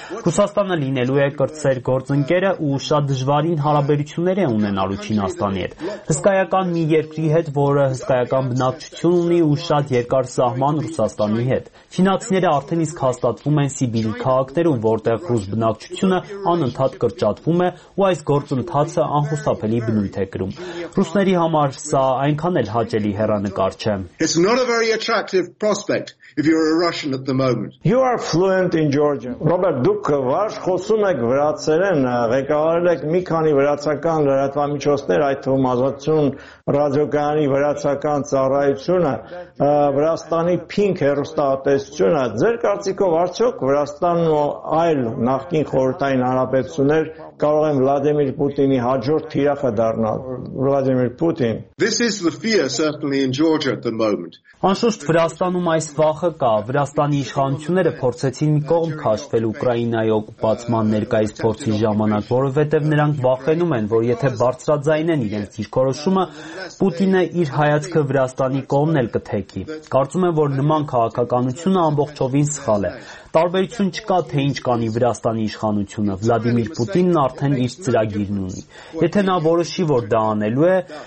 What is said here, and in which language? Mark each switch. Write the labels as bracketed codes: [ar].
[hy] Ռուսաստանը լինելու է կրտսեր գործընկերը ու շատ դժվարին հարաբերություններ է ունենալու Չինաստանի հետ։ Հսկայական մի երկրի հետ, որը հսկայական բնակչություն ունի ու շատ երկար սահման Ռուսաստանի հետ։ Չինացիները արդեն իսկ հաստատվում են Սիբիրի քաղաքներում, որտեղ ռուս բնակչությունը անընդհատ կրճատվում է ու այս գործընթացը անխուսափելի բնույթ է կրում։ Ռուսների համար սա այնքան էլ հաճելի հեռանկար չէ։ [en] If you're a Russian at the moment. You are fluent in Georgian. [hy] Robert, դուք վաշ խոսում եք վրացերեն, ղեկավարել եք մի քանի վրացական լրատվամիջոցներ, այդ թվում ազատություն ռադիոկայանի վրացական ծառայությունը, Վրաստանի Pink հեռուստատեսությունը, ձեր կարծիքով արդյոք Վրաստանն ու այլ նախկին խորհրդային հանրապետություններ կարող են Վլադիմիր Պուտինի հաջորդ թիրախը դառնալ, Վլադիմիր Պուտին? [en] This is the fear certainly in Georgia at the moment. [hy] Անշուշտ Վրաստանում այս վախը կա, Վրաստանի իշխանությունները փորձեցին մի կողմ քաշվել Ուկրաինայի օկուպացիան ներկայիս փորձի ժամանակ, որովհետև նրանք վախենում են, որ եթե բարձրաձայնեն իրենց դիրքորոշումը, Պուտինը իր հայացքը Վրաստանի կողմն էլ կթեքի։ Կարծում եմ, որ նման քաղաքականությունը ամբողջովին սխալ է։ Տարբերություն չկա, թե ինչ կանի Վրաստանի իշխանությունը, Վլադիմիր Պուտինն արդեն իր ծրագիրն ունի։ Եթե նա որոշի, որ դա անելու է,